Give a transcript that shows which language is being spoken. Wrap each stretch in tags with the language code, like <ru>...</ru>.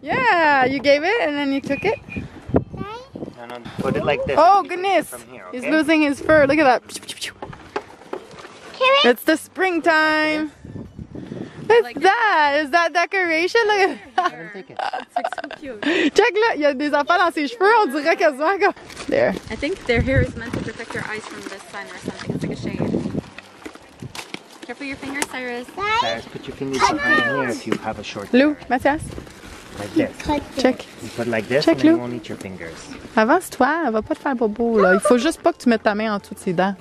<en>Yeah, you gave it and then you took it. No, put it like this. Oh, goodness. From here, okay? He's losing his fur. Look at that. Carrot? It's the springtime. What's that? Is that decoration? Look at that. So check, look,</en> <fr>y'a des enfants dans ses cheveux, on dirait quasiment comme...</fr> <en>There. I think their hair is meant to protect your eyes from the sun or something. It's like a shade. Careful your fingers, Cyrus. Cyrus, put your fingers behind here if you have a short Lou, Mathias. Like this. Check. You put like this check, and then you won't eat your fingers.</en> <fr>Avance-toi, elle va pas te faire bobo, là. Il faut juste pas que tu mettes ta main en dessous de ses dents.</fr>